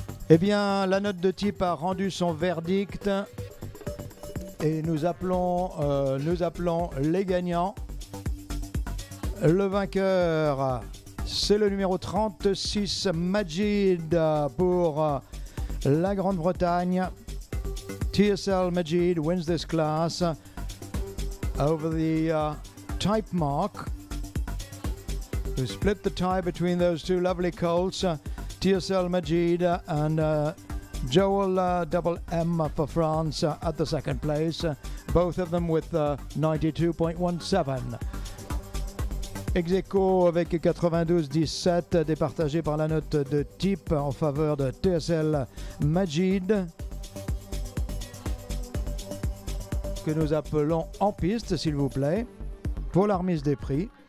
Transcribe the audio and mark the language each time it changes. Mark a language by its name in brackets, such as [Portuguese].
[French] Eh bien, la note de type a rendu son verdict et nous appelons les gagnants. Le vainqueur, c'est le numéro 36, Majid, pour la Grande-Bretagne. [English] TSL Majid wins this class over the type mark. We split the tie between those two lovely colts. TSL Majid and Joel Double M for France at the second place, both of them with 92.17. [French] Ex aequo avec 92-17, départagé par la note de type en faveur de TSL Majid. que nous appelons en piste, s'il vous plaît, pour la remise des prix.